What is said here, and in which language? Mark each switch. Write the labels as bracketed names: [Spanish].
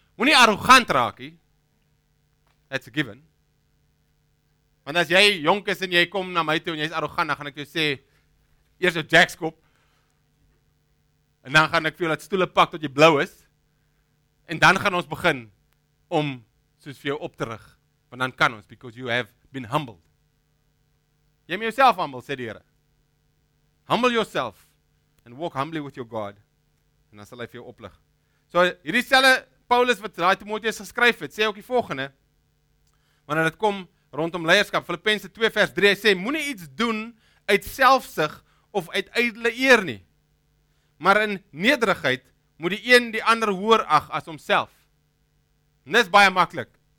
[Afrikaans] Moenie arrogant raak nie. [English] That's a given. [Afrikaans] Want as jy jonk is en jy kom na my toe en jy's arrogant, dan gaan ek jou sê eers jou jackskop. En dan gaan ek vir jou laat stoele pak tot jy blou is. En dan gaan ons begin om soos vir jou op te rig. Want dan kan ons, [English] because you have been humbled. [Afrikaans] Jy moet jouself humble, sê die Here. [English] Humble yourself and walk humbly with your God. [Afrikaans] En dan sal hy vir jou oplig. So hierdie selfe Paulus wat daai Timoteus geskryf het, sê ook die volgende. Wanneer dit kom rondom leierskap, Filippense 2 vers 3, hy sê, moenie iets doen uit selfsug of uit ydele eer nie. Maar in nederigheid moet die een die ander hoër ag as homself. Dis baie maklik.